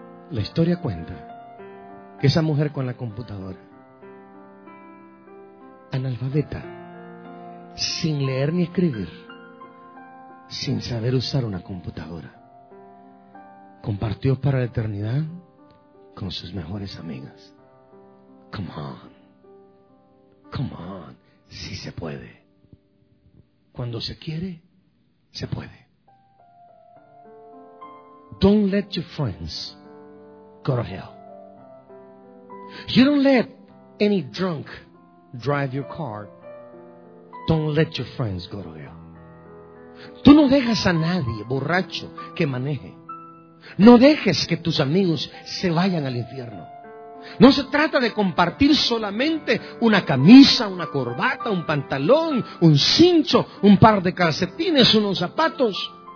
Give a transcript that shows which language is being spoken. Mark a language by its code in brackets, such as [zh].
[es] La historia cuenta que esa mujer con la computadora, analfabeta, sin leer ni escribir, sin saber usar una computadora, compartió para la eternidad con sus mejores amigas. [en] Come on. Come on. [es] Sí se puede. Cuando se quiere, se puede. [en] Don't let your friends go to hell. You don't let any drunk drive your car. Don't let your friends go to hell. [es] Tú no dejas a nadie borracho que maneje. No dejes que tus amigos se vayan al infierno. No se trata de compartir solamente una camisa, una corbata, un pantalón, un cincho, un par de calcetines, unos zapatos.